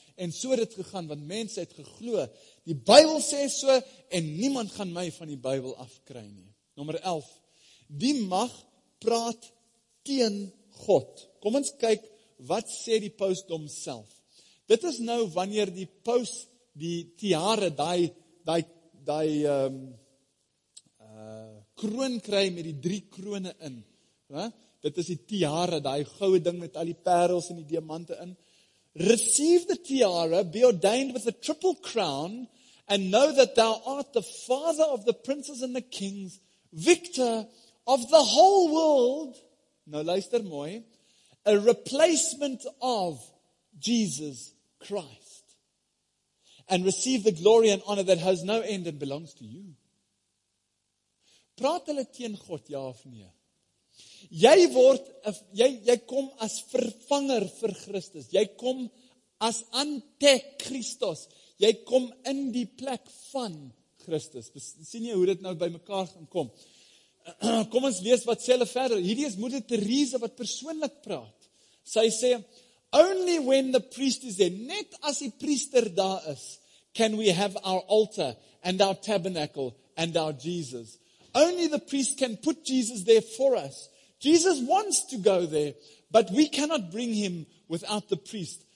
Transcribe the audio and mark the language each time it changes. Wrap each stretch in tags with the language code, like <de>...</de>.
<af>En so het dit gegaan, want mense het geglo. Die Bybel sê so, en niemand gaan my van die Bybel afkry nie. Nommer 11. Die mag praat teen God. Kom ons kyk, wat sê die pausdom self? Dit is nou wanneer die paus, die tiare, kroon kry met die 3 krone in. Dit is die tiare, die goue ding met al die perels en die diamante in.</af> <en>Receive the tiara, be ordained with a triple crown, and know that thou art the father of the princes and the kings, victor of the whole world.</en> <af>Nou luister mooi.</af> <en>A replacement of Jesus Christ. And receive the glory and honor that has no end and belongs to you.</en> <af>Praat hulle teen God, ja of nee? Jy kom as vervanger vir Christus. Jy kom as Antichristus. Jy kom in die plek van Christus. Sien jy hoe dit nou by mekaar gaan kom? Kom ons lees wat sê hulle verder. Hierdie is Moeder Teresa wat persoonlik praat. Sy sê,</af> <en>only when the priest is there,</en> <af>net as die priester daar is,</af> <en>can we have our altar and our tabernacle and our Jesus. Only the priest can put Jesus there for us. Jesus wants to go there, but we cannot bring him without the priest.</en>